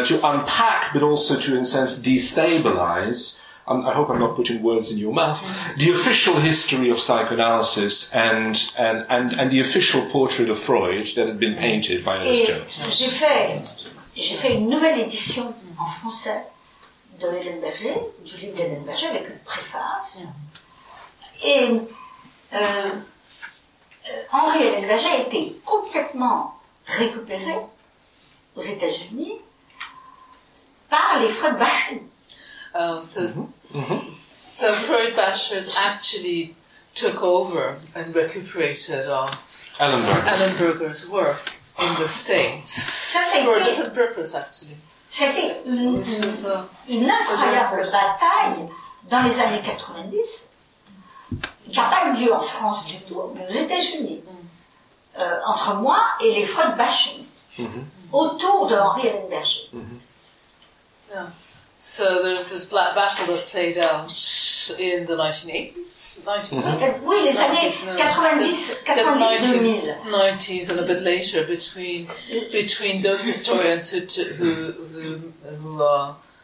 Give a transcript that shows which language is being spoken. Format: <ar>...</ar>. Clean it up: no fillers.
<en>unpack, but also to, in a sense, destabilize, I hope I'm not putting words in your mouth, the official history of psychoanalysis and the official portrait of Freud that had been painted by Ernest Jones.</en> <fr>J'ai fait une nouvelle édition en français de Ellenberger, du livre d'Ellenberger avec une préface. Et Henri Ellenberger a été complètement récupéré aux États-Unis par les Freud Bachin.</fr> <en>So Freud bashers actually took over and recuperated Ellenberger's work in the States for a different purpose, actually.</en> <fr>C'était une incroyable bataille dans les années 90 qui n'a pas eu lieu en France du tout, mais aux États-Unis, entre moi et les Freud bashing autour de Henri Ellenberger.</fr> <en>So there's this black battle that played out in the 1980s?</en> <fr>Oui, les années 90</fr> <en>and a bit later between those historians who are...</en>